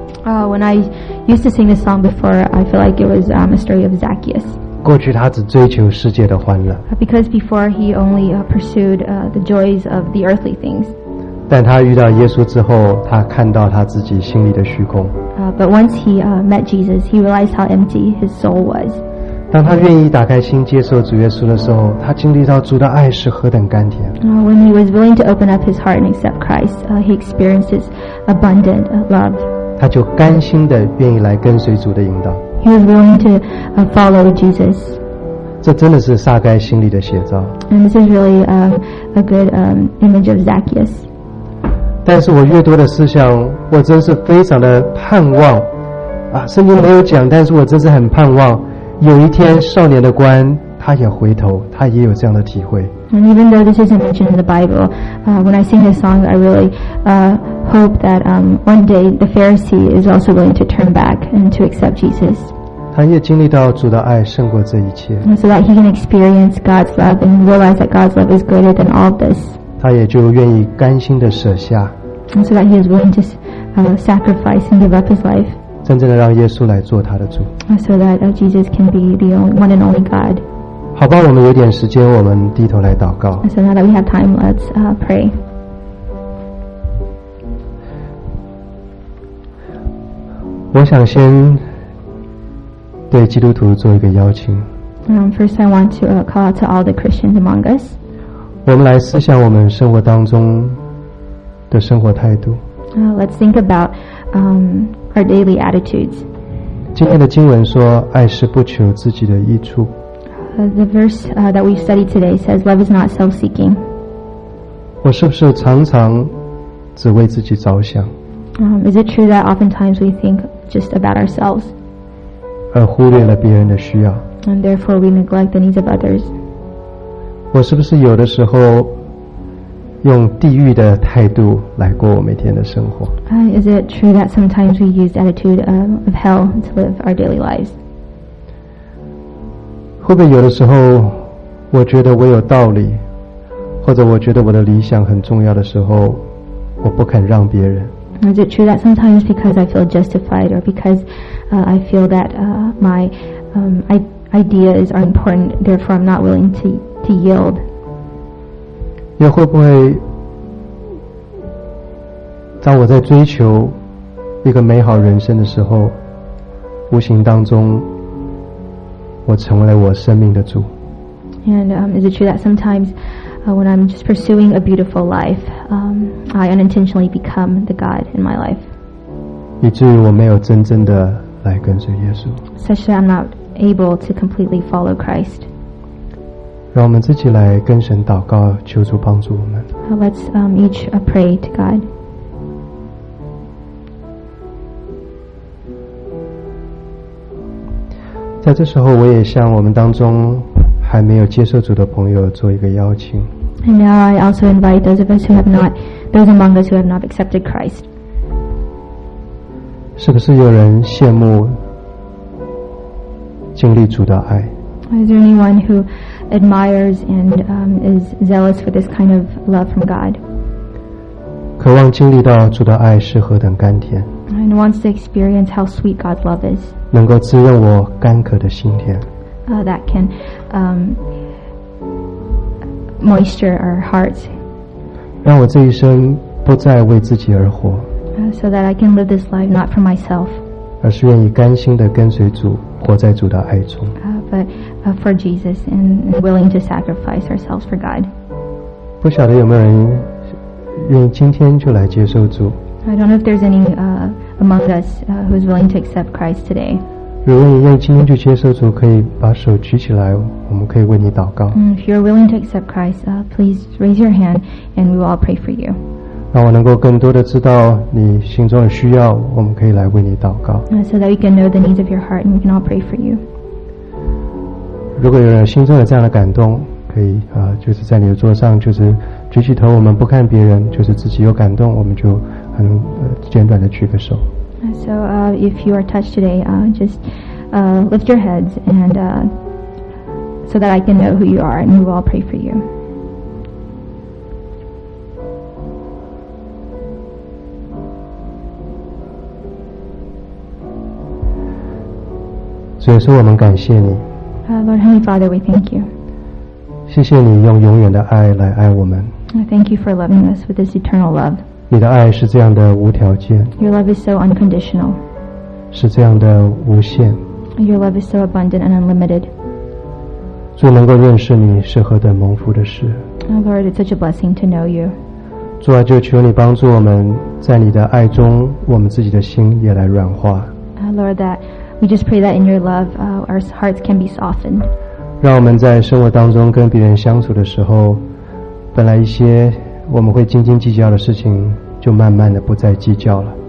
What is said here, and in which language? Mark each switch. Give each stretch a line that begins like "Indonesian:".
English: When I used to sing this song before, I feel like it was a story of Zacchaeus.
Chinese: 过去他只追求世界的欢乐。
English: Because before he only pursued the joys of the earthly things.
Chinese: 但他遇到耶稣之后，他看到他自己心里的虚空。
English: But once he met Jesus, he realized how empty his soul was.
Chinese: 当他愿意打开心接受主耶稣的时候，他经历到主的爱是何等甘甜。
English: When he was willing to open up his heart and accept Christ, he experiences abundant love.
Chinese: 他就甘心的愿意来跟随主的引导。
English: He was willing to follow Jesus.
Chinese: 这真的是撒该心里的写照。
English: And this is really a good image of Zacchaeus.
Chinese: 但是我越多的思想，我真是非常的盼望啊！圣经没有讲，但是我真是很盼望，有一天少年的官他也回头，他也有这样的体会。
English: And even though this isn't mentioned in the Bible, when I sing this song, I really hope that one day the Pharisee is also willing to turn back and to accept Jesus.
Chinese: 他也经历到主的爱胜过这一切。
English: And so that he can experience God's love and realize that God's love is greater than all of this.
Chinese: 他也就愿意甘心的舍下。
English: And so that he is willing to sacrifice and give up his life.
Chinese: 真正的让耶稣来做他的主。
English: So that Jesus can be the only, one and only God.
Chinese: 好吧，我们有点时间，我们低头来祷告。
English: So now that we have time, let's pray.
Chinese: 我想先对基督徒做一个邀请。
English: First, I want to call out to all the Christians among us.
Chinese: 我们来思想我们生活当中的生活态度。
English: Let's think about our daily attitudes.
Chinese: 今天的经文说，爱是不求自己的益处。
English: The verse that we've studied today says, "Love is not self-seeking."
Chinese: 我是不是常常只为自己着想？
English: Is it true that oftentimes we think just about ourselves?
Chinese: 而忽略了别人的需要？
English: And therefore we neglect the needs of others.
Chinese: 我是不是有的时候用地狱的态度来过我每天的生活？
English: Is it true that sometimes we use the attitude of hell to live our daily lives?
Chinese: 会不会有的时候我觉得我有道理，或者我觉得我的理想很重要的时候，我不肯让别人？
English: Is it true that sometimes because I feel justified or because I feel that my ideas are important, therefore I'm not willing to yield?
Chinese: 也会不会当我在追求一个美好人生的时候，无形当中我成为了我生命的主。
English: And is it true that sometimes when I'm just pursuing a beautiful life, I unintentionally become the God in my life?
Chinese: 以至于我没有真正的来跟随耶稣。
English: Such that I'm not able to completely follow Christ.
Chinese: 让我们自己来跟神祷告，求主帮助我们。
English: Let's each pray to God.
Chinese: 在这时候，我也向我们当中还没有接受主的朋友做一个邀请。
English: And now I also invite those of us who have not, those among us who have not accepted Christ.
Chinese: 是不是有人羡慕经历主的爱？
English: Is there anyone who admires and is zealous for this kind of love from God?
Chinese: 渴望经历到主的爱是何等甘甜。
English: And wants to experience how sweet God's love is.
Chinese: 能够滋润我干渴的心田。
English: That can moisture our hearts.
Chinese: 让我这一生不再为自己而活。
English: So that I can live this life not for myself.
Chinese: 而是愿意甘心的跟随主，活在主的爱中。
English: But for Jesus and willing to sacrifice ourselves for God.
Chinese: 不晓得有没有人愿意今天就来接受主。
English: I don't know if there's any among us who is willing to accept Christ today.
Chinese: 如果你愿意今天就接受主，可以把手举起来，我们可以为你祷告。
English: If you're willing to accept Christ, please raise your hand, and we will all pray for you.
Chinese: 让我能够更多的知道你心中的需要，我们可以来为你祷告。
English: So that we can know the needs of your heart, and we can all pray for you.
Chinese: 如果有人心中有这样的感动，可以就是在你的桌上，就是举起头，我们不看别人，就是自己有感动，我们就。很简短的举个手。
English: So if you are touched today, just lift your heads and so that I can know who you are, and we will all pray for you.
Chinese: 所以说我们感谢你。
English: Lord Heavenly Father, we thank you.
Chinese: 谢谢你用永远的爱来爱我们。
English: Thank you for loving us with this eternal love.
Chinese: 你的爱是这样的无条件。
English: Your love is so unconditional.
Chinese: 是这样的无限。
English: Your love is so abundant and unlimited.
Chinese: 主能够认识你是何等蒙福的事。
English: Oh Lord, it's such a blessing to know you.
Chinese: 主啊，就求你帮助我们在你的爱中，我们自己的心也来软化。
English: Lord, that we just pray that in your love, our hearts can be softened.
Chinese: 让我们在生活当中跟别人相处的时候，本来一些我们会斤斤计较的事情就慢慢的不再计较了。